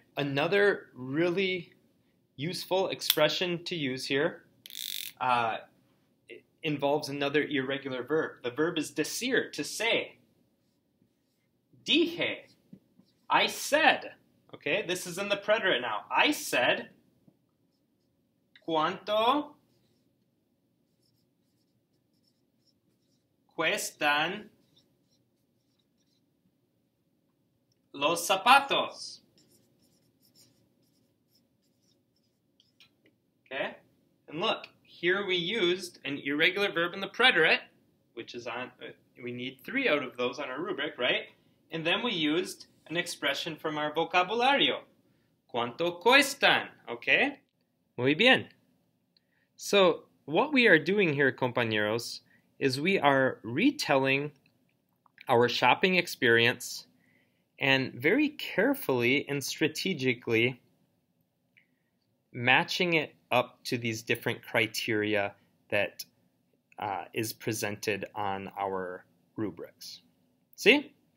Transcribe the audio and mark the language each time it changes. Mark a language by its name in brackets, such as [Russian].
[English] Another really useful expression to use here involves another irregular verb. The verb is decir, to say. Dije, I said. Okay, this is in the preterite now. I said, [Spanish] ¿cuánto cuestan los zapatos? [English] Okay, and look, here we used an irregular verb in the preterite, which is on, we need three out of those on our rubric, right? And then we used an expression from our vocabulario. [Spanish] ¿Cuánto cuestan? [English] Okay, [Spanish] muy bien. [English] So what we are doing here, compañeros, is we are retelling our shopping experience and very carefully and strategically matching it up to these different criteria that is presented on our rubrics. See?